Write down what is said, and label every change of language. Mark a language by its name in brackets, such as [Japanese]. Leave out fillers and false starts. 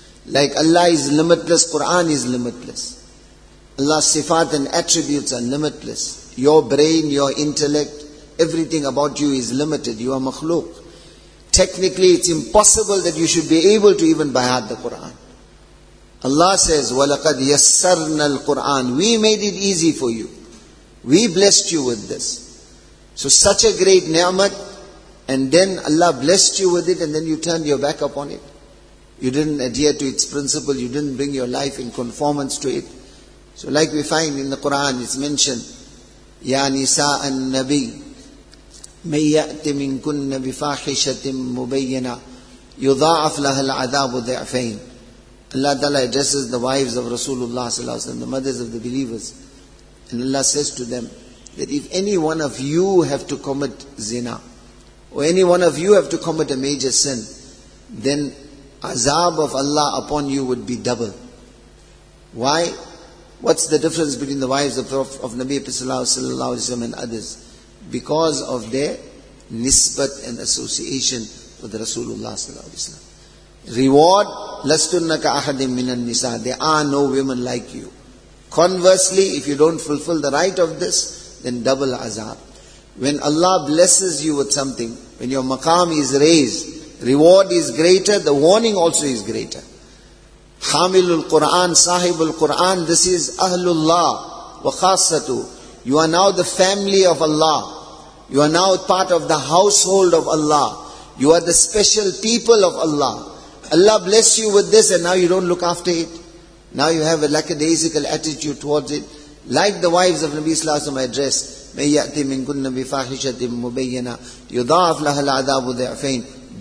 [English] Like Allah is limitless, Quran is limitless. Allah's sifat and attributes are limitless. Your brain, your intellect, everything about you is limited. You are makhluk. Technically, it's impossible that you should be able to even bayat the Quran. Allah says, [Arabic] وَلَقَدْ يَسَّرْنَا الْقُرْآنَ. [English] We made it easy for you. We blessed you with this. So such a great ni'mat, and then Allah blessed you with it, and then you turned your back upon it. You didn't adhere to its principle, you didn't bring your life in conformance to it. So like we find in the Quran, it's mentioned, [Arabic] يَا نِسَاءَ النَّبِي مَنْ يَأْتِ مِنْكُنَّ بِفَاحِشَةٍ مُبَيِّنَةٍ يُضَاعَفْ لَهَا الْعَذَابُ ضِعْفَيْنِ. [English] Allah Ta'ala addresses the wives of Rasulullah Sallallahu Alaihi Wasallam, the mothers of the believers. And Allah says to them, that if any one of you have to commit zina, or any one of you have to commit a major sin, then azab of Allah upon you would be double. Why? What's the difference between the wives of Nabi Sallallahu Alaihi Wasallam and others? Because of their nisbat and association with Rasulullah Sallallahu Alaihi Wasallam. Reward, [Arabic] لَسْتُنَّكَ أَحَدٍ مِّنَ النِّسَاءِ. [English] There are no women like you. Conversely, if you don't fulfill the right of this, then double azab. When Allah blesses you with something, when your maqam is raised, reward is greater, the warning also is greater. [Arabic] حَامِلُ الْقُرْآنِ صَاحِبُ الْقُرْآنِ. [English] This is [Arabic] أَهْلُ اللَّهِ وَخَاصَّتُ. [English] You are now the family of Allah. You are now part of the household of Allah. You are the special people of Allah. Allah bless you with this and now you don't look after it. Now you have a lackadaisical attitude towards it. Like the wives of Nabi Sallallahu Alaihi Wasallam addressed, [Arabic] مَنْ يَأْتِ مِنْكُنَّ بِفَاحِشَةٍ مُبَيَّنَا يُضَاعَفْ لَهَا الْعَذَابُ ضِعْفَيْنِ.